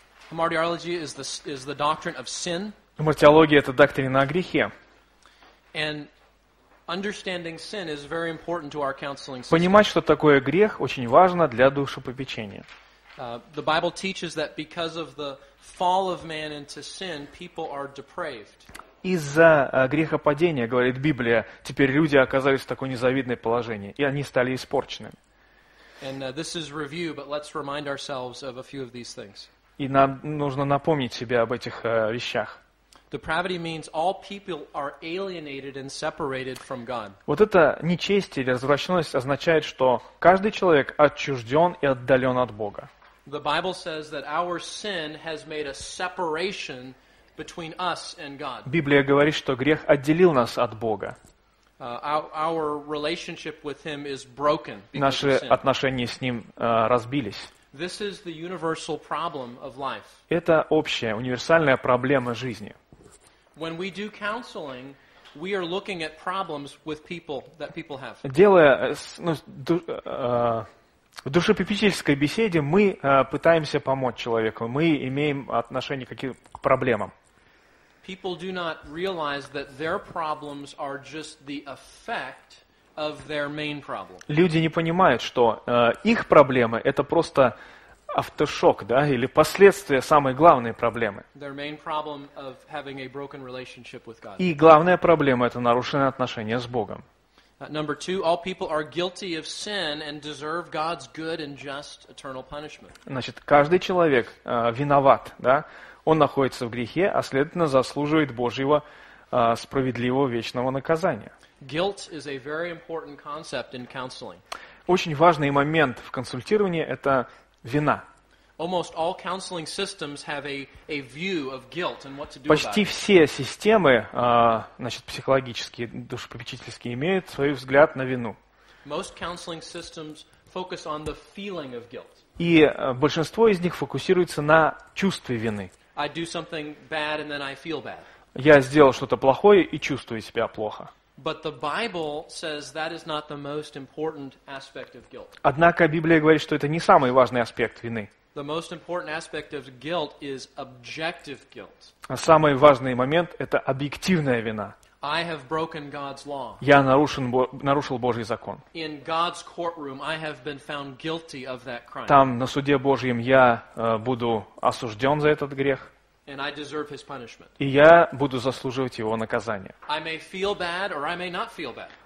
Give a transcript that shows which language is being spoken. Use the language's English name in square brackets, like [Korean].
[English] Hamartiology is the doctrine of sin. [Russian] Гамартиология — это доктрина о грехе. [English] And understanding sin is very important to our counseling system. [Russian] Понимать, что такое грех, очень важно для душепопечения. [English] The Bible teaches that because of the fall of man into sin, people are depraved. [Russian] Из-за грехопадения, говорит Библия, теперь люди оказались в такое незавидное положение, и они стали испорченными. [English] And this is review, but let's remind ourselves of a few of these things. [Russian] И нам нужно напомнить себе об этих вещах. [English] Depravity means all people are alienated and separated from God. [Russian] Вот это нечестие или развращенность означает, что каждый человек отчужден и отдален от Бога. [English] The Bible says that our sin has made a separation between us and God. [Russian] Библия говорит, что грех отделил нас от Бога. [English] Our relationship with Him is broken because of sin. [Russian] Наши отношения с Ним разбились. [English] This is the universal problem of life. [Russian] Это общая, универсальная проблема жизни. [English] When we do counseling, we are looking at problems with people that people have. [Russian] Делая, в душепопечительской беседе мы пытаемся помочь человеку, мы имеем отношение к проблемам. [English] People do not realize that their problems are just the effect of their main problem. [Russian] Люди не понимают, что их проблемы — это просто автошок, да, или последствия самой главной проблемы. [English] Their main problem of having a broken relationship with God. [Russian] И главная проблема — это нарушенные отношения с Богом. [English] Number two, all people are guilty of sin and deserve God's good and just eternal punishment. [Russian] Значит, каждый человек виноват, да? Он находится в грехе, а следовательно заслуживает Божьего справедливого вечного наказания. [English] Guilt is a very important concept in counseling. [Russian] Очень важный момент в консультировании — это вина. [English] Almost all counseling systems have a view of guilt and what to do. [Russian] Почти все системы, значит, психологические, душепопечительские, имеют свой взгляд на вину. [English] Most counseling systems focus on the feeling of guilt. [Russian] И большинство из них фокусируется на чувстве вины. [English] I do something bad and then I feel bad. [Russian] Я сделал что-то плохое и чувствую себя плохо. [English] But the Bible says that is not the most important aspect of guilt. [Russian] Однако Библия говорит, что это не самый важный аспект вины. [English] The most important aspect of guilt is objective guilt. [Russian] А самый важный момент – это объективная вина. [English] I have broken God's law. [Russian] Я нарушил Божий закон. [English] In God's courtroom, I have been found guilty of that crime. [Russian] Там, на суде Божьем, я буду осужден за этот грех. [English] And I deserve his punishment. [Russian] И я буду заслуживать его наказание. [English] I may feel bad, or I may not feel bad.